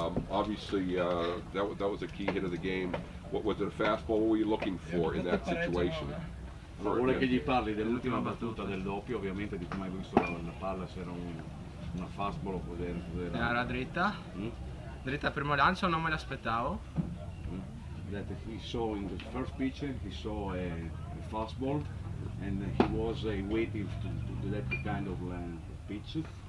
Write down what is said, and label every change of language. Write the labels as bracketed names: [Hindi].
[English] Obviously, that was a key hit of the game. What was it, a fastball? What were you looking for in that situation? [Italian] Vuole che gli parli dell'ultima battuta del doppio, ovviamente di come hai visto la palla, se era una fastball o cos'era. Era dritta, dritta primo lancio, non me l'aspettavo. [English] That he saw in the first pitch, he saw a fastball and he was waiting to that kind of pitch.